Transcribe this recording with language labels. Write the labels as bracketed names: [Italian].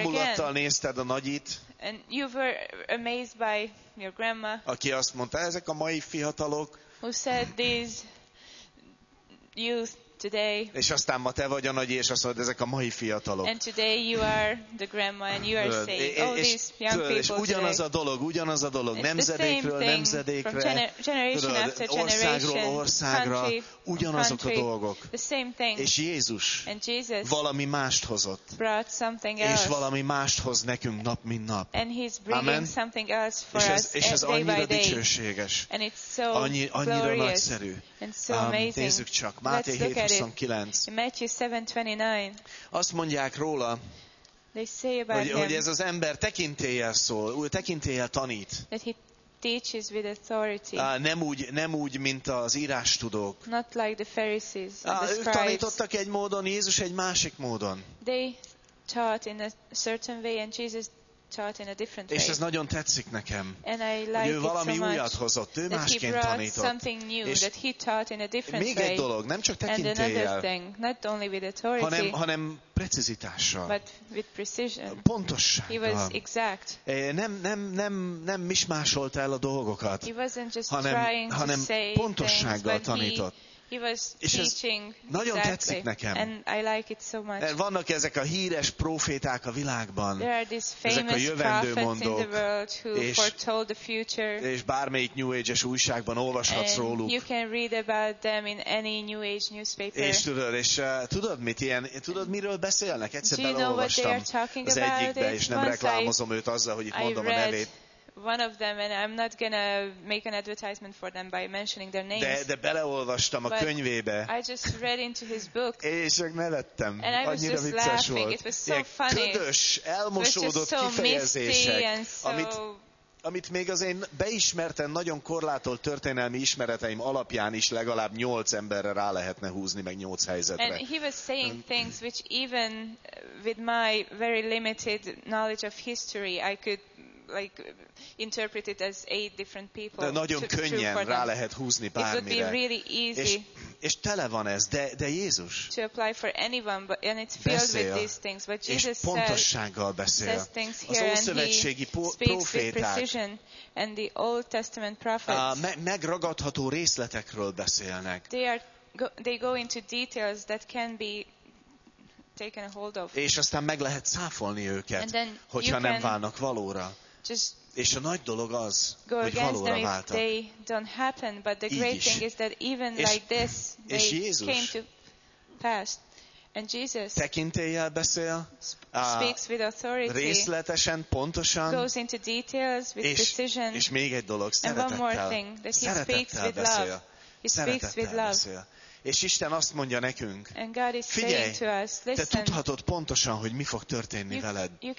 [Hungarian] Ámulattal nézted a nagyit. [English] And you were amazed by your grandma. [Hungarian] Aki azt mondta, ezek a mai fiatalok. [English] Who said these youth? Today. [Hungarian] És aztán ma te vagy a nagy, és azt mondod, ezek a mai fiatalok. [English] And today you are the grandma and you are saying all these young people. [Hungarian] És ugyanaz a dolog, ugyanaz a dolog. Nemzedékről nemzedékre, [English] generation after generation, [Hungarian] ugyanazok a dolgok. [English] The same thing. [Hungarian] És Jézus [English] and Jesus [Hungarian] valami mást hozott. [English] Brought something else. [Hungarian] És valami mást hoz nekünk nap mint nap. [English] And he's bringing something else for us day by day. [Hungarian] És ez annyira dicsőséges. [English] And it's so glorious. [Hungarian] Annyira nagyszerű. [English] And so amazing. [Hungarian] Nézzük csak. Máté 7:29. [English] Matthew 7:29. [Hungarian] Azt mondják róla, hogy ez az ember tekintéllyel szól, tekintéllyel tanít. [English] Teaches with authority. [Hungarian] Nem úgy, mint az írástudók. [English] Not like the Pharisees and the scribes. [Hungarian] Ők tanítottak egy módon, Jézus egy másik módon. [English] They taught in a certain way and Jesus taught in a different way. [Hungarian] És ez nagyon tetszik nekem. [English] And I like [Hungarian] ő valami [English] it so [Hungarian] újat hozott, ő másként tanított. [English] Something new [Hungarian] és [English] that he taught in a different [Hungarian] még [English] way. [Hungarian] Egy dolog, nem csak tekintéllyel. [English] And another thing, not only with authority. [Hungarian] Hanem precizitással. [English] But with precision. [Hungarian] Pontossággal. [English] He was exact. [Hungarian] Nem mismásolt el a dolgokat. [English] He wasn't just [Hungarian] hanem pontossággal [English] things, [Hungarian] tanított. [English] He was teaching [Hungarian] nagyon [English] exactly. [Hungarian] Tetszik nekem. [English] And I like it so much. [Hungarian] Vannak ezek a híres proféták a világban. [English] There are these famous [Hungarian] ezek a jövendőmondók. [English] In the world who foretold the future. [Hungarian] És bármelyik New Age-es újságban olvashatsz [English] and [Hungarian] róluk. [English] You can read about them in any New Age newspaper. [Hungarian] És tudod, tudod miről beszélnek? Egyszer beleolvastam az egyikbe, és nem reklámozom őt azzal, hogy itt mondom a nevét. [English] One of them, and I'm not gonna make an advertisement for them by mentioning their names. [Hungarian] De beleolvastam a könyvébe. [English] I just read into his book. [Hungarian] És csak nevettem. [English] And I was just laughing. [Hungarian] Volt. [English] It was so funny. [Hungarian] Ködös, elmosódott kifejezések, amit még az én beismerten nagyon korlátolt történelmi ismereteim alapján is legalább 8 emberre rá lehetne húzni meg 8 helyzetre. [English] And he was saying things which even with my very limited knowledge of history, I could like interpret it as 8 different people. [Hungarian] De nagyon könnyen rá lehet húzni bármire. [English] It would be really easy. [Hungarian] És tele van ez, de Jézus. [English] To apply for anyone, but and it's filled [Hungarian] beszél, [English] with these things. But Jesus [Hungarian] és pontossággal beszél. [English] Says things here, [Hungarian] az ószövetségi proféták. [English] And the Old Testament prophets. [Hungarian] Megragadható részletekről beszélnek. [English] They go into details that can be taken a hold of. [Hungarian] És aztán meg lehet száfolni őket, hogyha nem válnak valóra. És a nagy dolog az, hogy valóra váltak. [English] They don't happen, but the great thing is that even like this, they came to pass. And Jesus [Hungarian] tekintéllyel beszél, [English] speaks with authority, [Hungarian] részletesen, pontosan, [English] goes into details with precision. [Hungarian] És még egy dolog, [English] and one more thing, that he speaks with love. He speaks with love. [Hungarian] És Isten azt mondja nekünk, figyelj, te tudhatod pontosan, hogy mi fog történni veled.